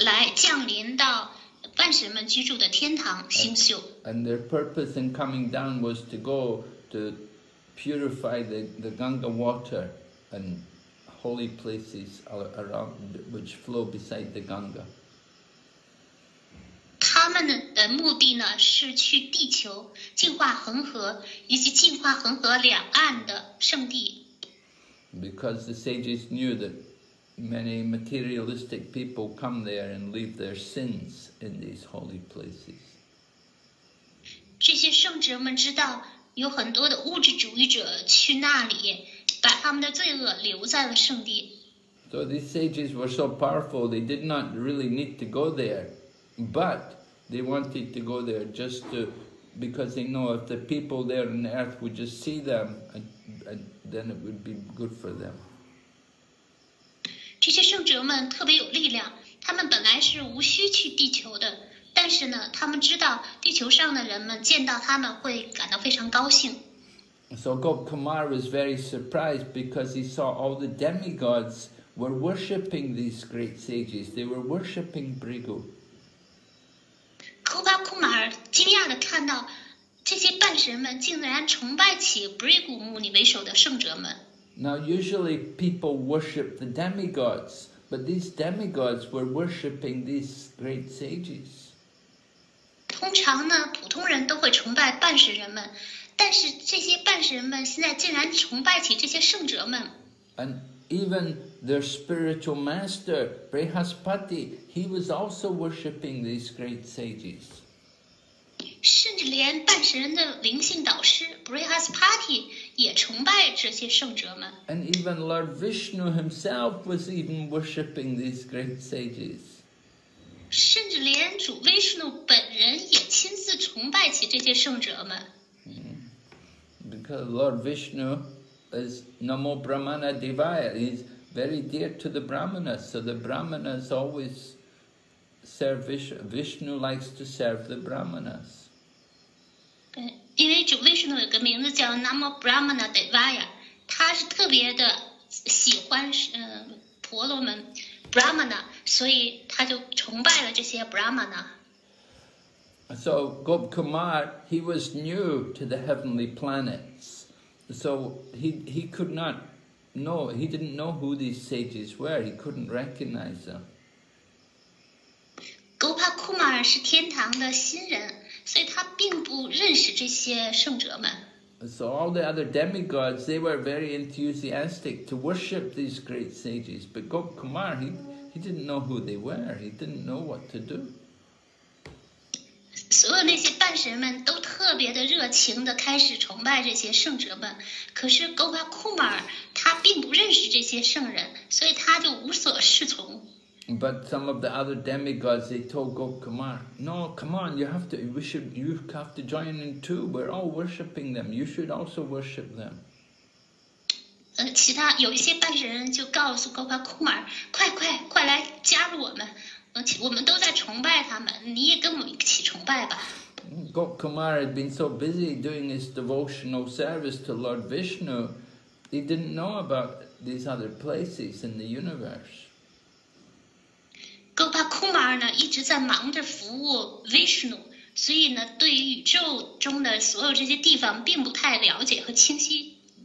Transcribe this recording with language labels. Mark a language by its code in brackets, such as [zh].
[zh] 来降临到半神们居住的天堂星宿。 [en] And their purpose in coming down was to go to purify the Ganga water and holy places around which flow beside the Ganga. [zh] 他们的目的呢是去地球净化恒河以及净化恒河两岸的圣地。 [en] Because the sages knew that many materialistic people come there and leave their sins in these holy places. [zh] 这些圣哲们知道有很多的物质主义者去那里，把他们的罪恶留在了圣地。 [en] So these sages were so powerful, they did not really need to go there, but they wanted to go there just to, because they know if the people there on earth would just see them, and then it would be good for them. [zh] 这些圣哲们特别有力量，他们本来是无需去地球的。但是呢，他们知道地球上的人们见到他们会感到非常高兴。 [en] So Gopkumar was very surprised because he saw all the demigods were worshipping these great sages. They were worshipping Bhrigu. [zh] Gopkumar 惊讶地看到这些半神们竟然崇拜起 Bhrigu 牧尼为首的圣哲们。 [en] Now usually people worship the demigods, but these demigods were worshipping these great sages. [zh] 通常呢，普通人都会崇拜半神人们，但是这些半神们现在竟然崇拜起这些圣哲们。 [en] And even their spiritual master Brihaspati, he was also worshipping these great sages. [zh] 甚至连半神人的灵性导师 Brihaspati 也崇拜这些圣哲们。 [en] And even Lord Vishnu himself was even worshipping these great sages. [zh] 甚至连主维斯努本人也亲自崇拜起这些圣哲们。 [en] Because Lord Vishnu is Namo Brahmana Devaya, he's very dear to the Brahmanas, so the Brahmanas always serve Vishnu. Vishnu likes to serve the Brahmanas. [zh] 因为主维斯努有个名字叫 Namo Brahmana Devaya, 他是特别的喜欢婆罗门。 Brahmana, 所以他就崇拜了这些 Brahmana. [en] So Gopkumar, he was new to the heavenly planets. So he could not know, he didn't know who these sages were. He couldn't recognize them. [zh] Gopkumar 是天堂的新人，所以他并不认识这些圣哲们。 [en] So all the other demigods, they were very enthusiastic to worship these great sages. But Gopkumar, he didn't know who they were. He didn't know what to do. [zh] 所有那些半神们都特别的热情地开始崇拜这些圣哲们。可是 Gopkumar, 他并不认识这些圣人，所以他就无所适从。 [en] But some of the other demigods, they told Gopkumar, no, come on, you have to join in too. We're all worshipping them. You should also worship them. [zh] 其他有一些半神人就告诉 Gopkumar, 快来加入我们。我们都在崇拜他们，你也跟我们一起崇拜吧。 [en] Gopkumar had been so busy doing his devotional service to Lord Vishnu, he didn't know about these other places in the universe. [zh] Gopkumar 呢一直在忙着服务 Vishnu， 所以呢对于宇宙中的所有这些地方并不太了解和清晰。